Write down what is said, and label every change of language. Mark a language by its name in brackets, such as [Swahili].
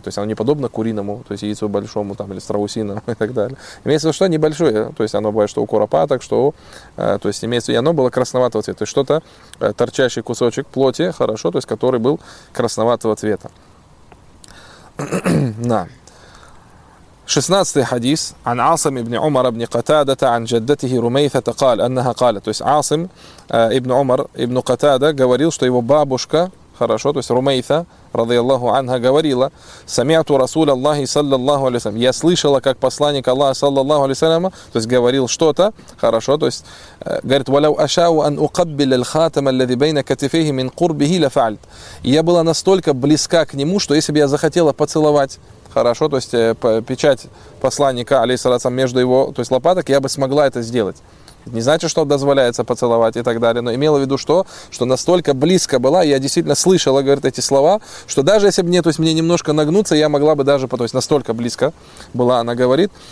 [Russian] То есть оно не подобно куриному, то есть яйцу большому там, или страусиному и так далее. Имеется в виду, что небольшое, то есть оно бывает, что у куропаток, что у, то есть имеется в виду, и оно было красноватого цвета. То есть что-то, торчащий кусочек плоти, хорошо, то есть который был красноватого цвета. На. [Arabic] 16 хадис عن عاصم ابن عمر ابن قتادة عن جدته رميثة قال انها قالت. [Russian] То есть عاصم ابن عمر ابن قتادة говорил, что его бабушка, хорошо, то есть Румейса رضي الله عنها, говорила: [Arabic] سمعت رسول الله صلى الله عليه وسلم. [Russian] Я слышала, как посланник Аллаха صلى الله عليه وسلم, то есть говорил что-то, хорошо, то есть говорит: [Arabic] ولو أشاء أن أقبل الخاتم الذي بين كتفيه من قربه لفعلت. [Russian] Я была настолько близка к нему, что если бы я захотела поцеловать, хорошо, то есть печать посланника, алейхиссалям, между его, то есть лопаток, я бы смогла это сделать. Не значит, что дозволяется поцеловать и так далее, но имела в виду, что настолько близко была, я действительно слышала, говорит, эти слова, что даже если бы мне, то есть мне немножко нагнуться, я могла бы даже, то есть настолько близко была, она говорит.